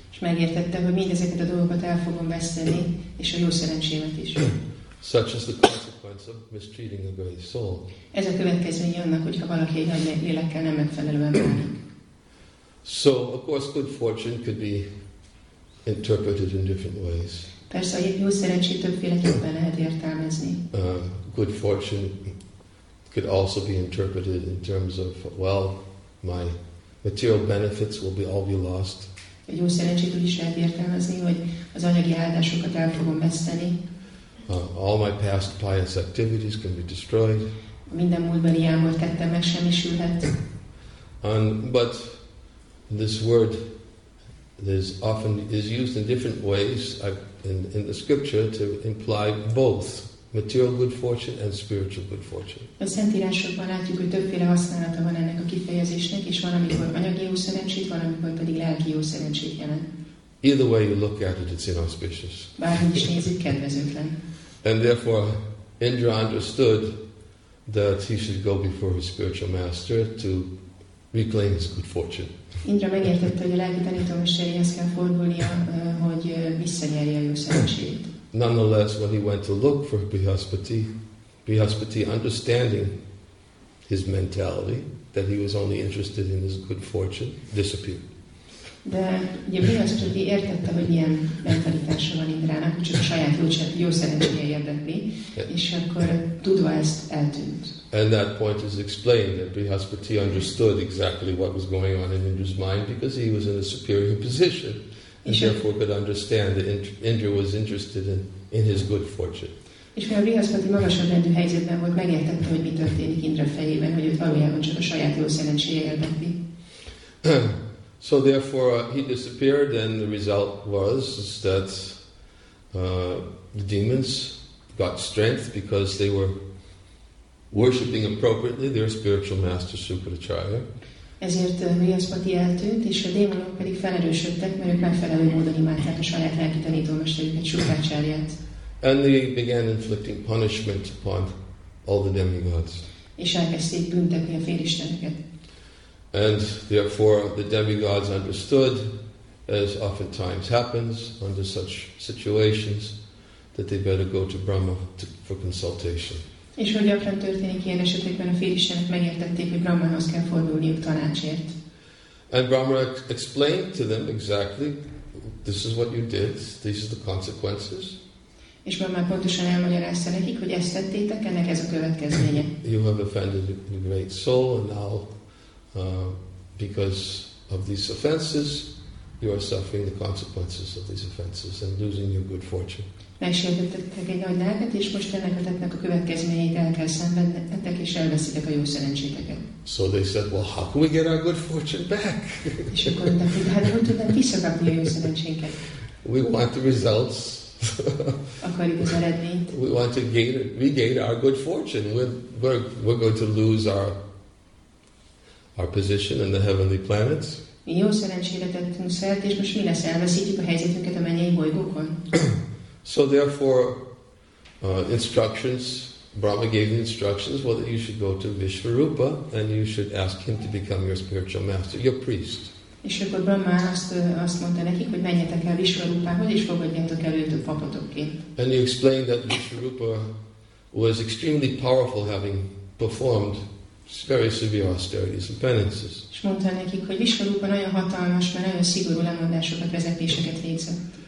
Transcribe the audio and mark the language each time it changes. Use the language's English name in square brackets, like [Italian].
[English] Such is the consequence of mistreating a great soul. So, of course, good fortune could be interpreted in different ways. [Hungarian] Persze, a jó szerencsét többféleképpen lehet értelmezni. [English] Good fortune could also be interpreted in terms of, well, my material benefits will be all be lost. [Hungarian] A jó szerencsét úgy is lehet értelmezni, hogy az anyagi áldásokat el fogom veszteni. [English] All my past pious activities can be destroyed. [Hungarian] Minden múltban jámolt tettem megsemmisülhet. [English] But this word is often used in different ways in the scripture to imply both. material good fortune and spiritual good fortune. [Hungarian] A szentírásokban látjuk, hogy többféle használata van ennek a kifejezésnek, és van, amikor anyagi jó szerencsét, van, amikor pedig lelki jó szerencsét jelent. [English] Either way you look at it, it's inauspicious. [Hungarian] Bárhogy is nézzük, kedvezőtlen. [English] And therefore, Indra understood that he should go before his spiritual master to reclaim his good fortune. [Hungarian] Indra megértette, hogy a lelki tanítómesterhez kell fordulnia, hogy visszanyerje a jó szerencsét. [English] Nonetheless, when he went to look for Brihaspati, Brihaspati, understanding his mentality, that he was only interested in his good fortune, disappeared. [Hungarian] De ugye Brihaspati értette, hogy milyen mentalitása van Indrának, csak a saját jó szerencséje érdekli, és akkor tudva ezt eltűnt. [English] And that point is explained that Brihaspati understood exactly what was going on in Indra's mind because he was in a superior position. And therefore could understand that Indra was interested in his good fortune. [Hungarian] És mivel Brihaspati magasabb rendű helyzetben volt, megértette, hogy mi történik Indra fejében, hogy ott valójában csak a saját jó szerencséje érdekli. [English] So therefore he disappeared, and the result was that the demons got strength because they were worshipping appropriately their spiritual master Sukracharya. [Hungarian] Ezért Brihaspati eltűnt, és a démonok pedig felerősödtek, mert ők megfelelő módon imádták a saját lelki tanítómesterüket, Shukracharyát. [English] And they began inflicting punishment upon all the demigods. [Hungarian] És elkezdték büntetni a félisteneket. [English] And therefore the demigods understood, as oftentimes happens under such situations, that they better go to Brahma for consultation. [Hungarian] És hogy gyakran történik ilyen esetekben, a félistenek megértették, hogy Brahmanhoz kell fordulniuk tanácsért. [English] And Brahma explained to them exactly, this is what you did, these are the consequences. [Hungarian] És Brahma pontosan elmagyarázta nekik, hogy ezt tettétek, ennek ez a következménye. [English] You have offended the great soul, and now because of these offenses, you are suffering the consequences of these offenses and losing your good fortune. [Hungarian] Megsértettek egy nagy lelket, és most ennek a tettnek a következményeit el kell szenvednetek, és elveszitek a jó szerencséteket. [English] So they said, well, how can we get our good fortune back? [Hungarian] És akkor mondták, hogy hát hogy tudnánk visszakapni a jó szerencséket? [English] We want the results. [Hungarian] Akarjuk az eredményt. [English] We want to regain our good fortune. We're going to lose our position in the heavenly planets. [Hungarian] Mi jó szerencsére tettünk szert, és most mi lesz? Elveszítjük a helyzetünket a mennyei bolygókon? [English] So therefore, instructions, Brahma gave the instructions, well, that you should go to Vishvarupa and you should ask him to become your spiritual master, your priest. [Hungarian] És akkor Brahma azt mondta nekik, hogy menjetek el Vishvarupához, és fogadjátok el őt a papotokként. [English] And he explained that Vishvarupa was extremely powerful, having performed very severe austerities and penances. [Hungarian] És mondta nekik, hogy Vishvarupa nagyon hatalmas, mert nagyon szigorú lemondásokat, vezetéseket végzett.